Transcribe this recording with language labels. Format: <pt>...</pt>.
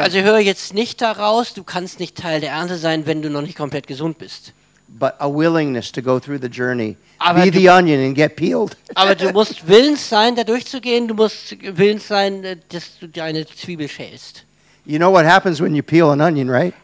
<de>Also hör jetzt nicht daraus, du kannst nicht Teil der Ernte sein, wenn du noch nicht komplett gesund bist.</de> <en>But a willingness to go through the journey. Be the onion and get peeled.</en> <de>Aber du musst willens sein, da durchzugehen, du musst willens sein, dass du deine Zwiebel schälst.</de> <en>You know what happens when you peel an onion, right?</en>